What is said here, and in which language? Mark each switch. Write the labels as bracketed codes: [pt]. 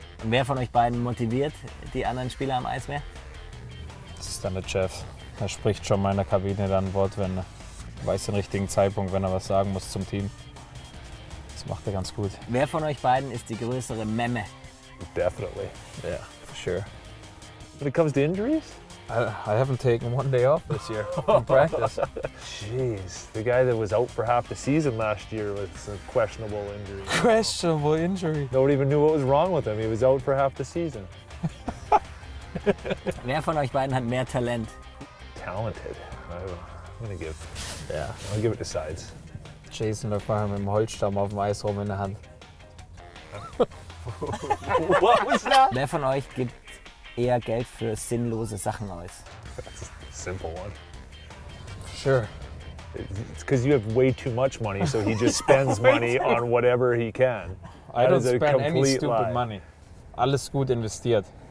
[de] Und wer von euch beiden motiviert die anderen Spieler am Eis mehr? Das ist dann der Chef. Er spricht schon mal in der Kabine dann Wortwende. Weiß den richtigen Zeitpunkt, wenn er was sagen muss zum Team. Das macht er ganz gut. Wer von euch beiden ist die größere Memme? [en] Definitely. Yeah, for sure. When it comes to injuries? I haven't taken one day off this year in practice. Jeez, the guy that was out for half the season last year with a questionable injury. Questionable injury. Nobody even knew what was wrong with him. He was out for half the season. [de] Wer von euch beiden hat mehr Talent? [en] Talented. I'll give it to Sides. [de] Jason läuft vorher mit dem Holzstamm auf dem Eis rum in der Hand. [en] What was that? [de] Wer von euch gibt eher Geld für sinnlose Sachen aus? [en] That's a simple one. Sure. It's because you have way too much money, so he just spends money on whatever he can. I don't spend any stupid money. [de] Alles gut investiert.